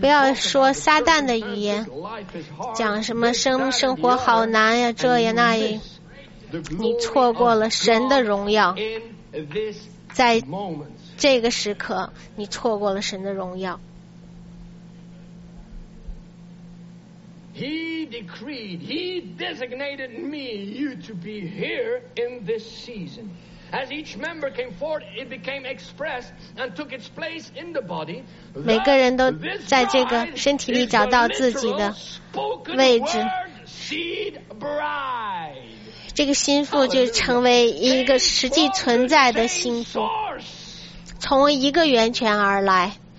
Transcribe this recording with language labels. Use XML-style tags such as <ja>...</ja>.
<zh>不要说撒旦的语言，讲什么 生活好难呀，这也那也，你错过了神的荣耀。在这个时刻，你错过了神的荣耀。</zh> <en>He decreed, he designated me, you to be here in this season. As each member came forth, it became expressed and took its place in the body.</en> <zh>每个人都在这个身体里找到自己的位置。</zh> <en>Seed bride.</en> <zh>这个心腹就成为一个实际存在的心腹，从一个源泉而来。</zh>